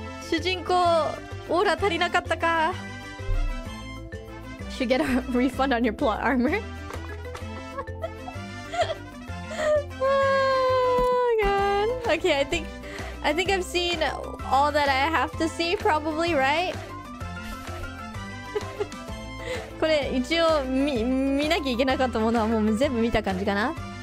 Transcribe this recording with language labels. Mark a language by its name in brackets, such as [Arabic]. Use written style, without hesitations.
[Japanese] 主人公オーラ足りなかったか。 [English] Should get a refund on your plot armor. Oh god. Okay, I think I've seen all that I have to see probably, right? [Japanese] これ一応見なきゃいけなかったものはもう全部見た感じかな。